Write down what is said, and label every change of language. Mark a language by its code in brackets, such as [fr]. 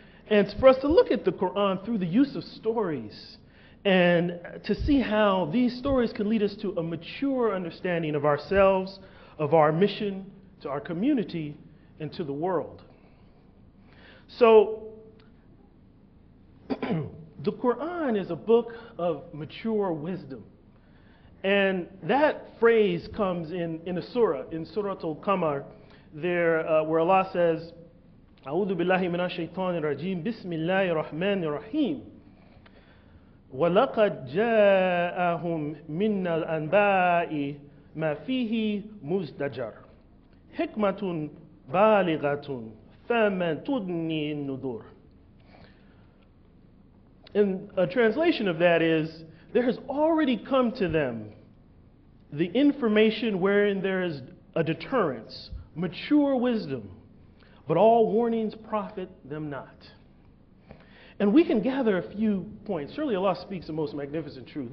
[en] And for us to look at the Quran through the use of stories and to see how these stories can lead us to a mature understanding of ourselves, of our mission, to our community, and to the world. So, the Quran is a book of mature wisdom. [ar] And that phrase comes in a surah, in Surah Al-Qamar, there where Allah says, أعوذ بالله من الشيطان الرجيم بسم الله الرحمن الرحيم ولقد جاءهم من الأنباء ما فيه مزدجر حكمة بالغة فمن تدني النذور. And a translation of that is, there has already come to them the information wherein there is a deterrence, mature wisdom, but all warnings profit them not. And we can gather a few points. Surely Allah speaks the most magnificent truth.